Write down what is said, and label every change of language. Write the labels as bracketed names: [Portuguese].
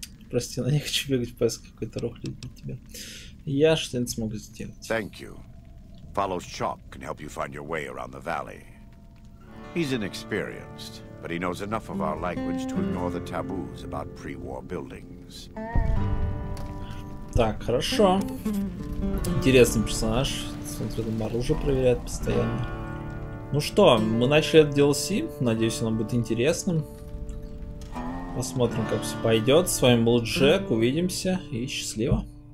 [Russian] Прости, но не хочу бегать в поиск какой-то рухли для тебя. Я что-нибудь смогу сделать. [English] Thank you. Follows Chop can help you find your way around the valley. He's inexperienced. But he knows enough of our language to ignore the taboos about pre-war buildings. [Russian] Так, хорошо. Интересный персонаж. Смотрю, там оружие проверяет постоянно. Ну что, мы начали этот DLC. Надеюсь, оно будет интересным. Посмотрим, как все пойдет. С вами был Джек. Увидимся и счастливо.